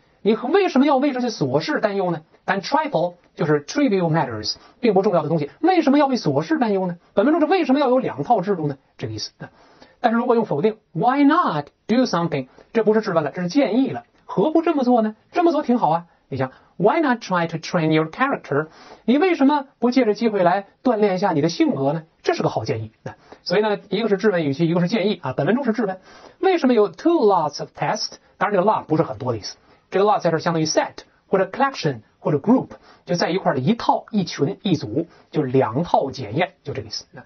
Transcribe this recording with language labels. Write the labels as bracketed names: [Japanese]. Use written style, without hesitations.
[Chinese] 你为什么要为这些琐事担忧呢？但 trifle 就是 [English] trivial matters， [Chinese] 并不重要的东西。为什么要为琐事担忧呢？本文中为什么要有两套制度呢？这个意思。但是如果用否定 ， [English] Why not do something？ [Chinese] 这不是质问了，这是建议了。何不这么做呢？这么做挺好啊。你想 [English] ,why not try to train your character? [Chinese] 你为什么不借着机会来锻炼一下你的性格呢？这是个好建议。所以呢，一个是质问语气，一个是建议啊。本文中是质问。为什么有 [English] two lots of tests? [Chinese] 当然这个 lot 不是很多的意思。这个 lot 在这相当于 set, 或者 collection, 或者 group, 就在一块的一套一群一组，就两套检验，就这个意思。